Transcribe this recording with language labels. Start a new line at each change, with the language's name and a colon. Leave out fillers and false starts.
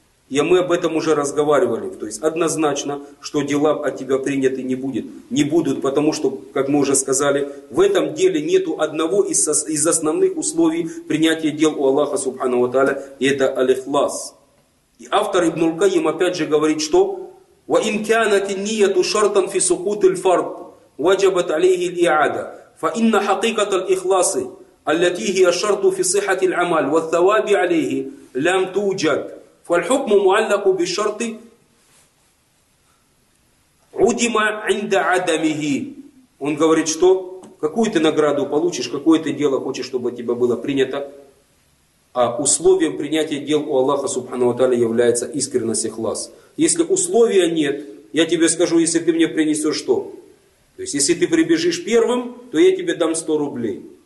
Russian: И мы об этом уже разговаривали. То есть однозначно, что дела от тебя приняты не будут, потому что, как мы уже сказали, в этом деле нету одного из основных условий принятия дел у Аллаха Субхана ва Тааля, и это аль-ихлас. И автор Ибн аль-Кайим опять же говорит, что
Arabic: «Ва ин кянат ан-нийяту шартан фи сукут аль-фард». Ваджабат алейхи аль-иада. فإن حقيقة الإخلاص التي هي الشرط في صحة العمل والثواب عليه لم توجد، فالحكم معلق بالشرط عدم عند عدمه.
Russian: Он говорит, что какую ты награду получишь, какое ты дело хочешь, чтобы тебе было принято, а условием принятия дел у Аллаха Субхану ва Тааля является искренность и ихлас. Если условия нет, я тебе скажу, если ты мне принесешь что? То есть, если ты прибежишь первым, то я тебе дам 100 рублей.